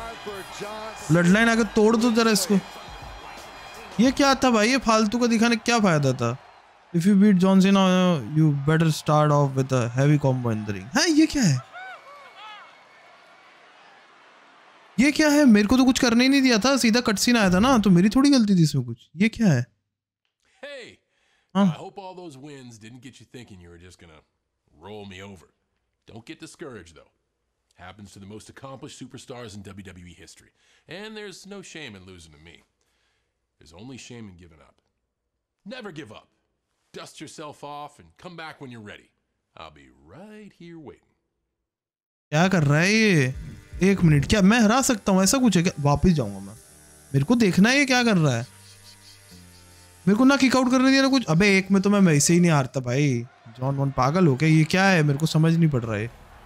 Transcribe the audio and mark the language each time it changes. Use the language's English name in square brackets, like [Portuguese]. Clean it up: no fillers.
[Hindi] Bloodline आकर तोड़ दो जरा इसको, ये क्या था भाई, ये फालतू का दिखाने क्या फायदा था। [English] If you beat John Cena you better start off with a heavy combo in the ring. [Hindi] हैं ये क्या है, ये क्या है, मेरे को तो कुछ करने ही नहीं दिया था, सीधा कट सीन आया था ना, तो मेरी थोड़ी गलती थी इसमें कुछ, ये क्या है। Hey, हाँ? [English] I hope all those wins didn't get you thinking you were just gonna roll me over. Don't get discouraged though. Happens to the most accomplished superstars in WWE history. And there's no shame in losing to me. is only shame in giving up. Never give up. Dust yourself off and come back when you're ready. I'll be right here waiting. [Hindi] क्या कर रहा है ये? एक minute, क्या मैं हरा सकता हूँ? ऐसा कुछ है क्या? वापिस जाऊंगा मैं, मेरे को देखना है ये क्या कर रहा है. मेरे को ना किकआउट करने दिया ना कुछ. अबे एक में तो मैं वैसे ही नहीं हारता भाई. जॉन वॉन पागल हो गया, ये क्या है मेरे को समझ नहीं पड़ रहा है.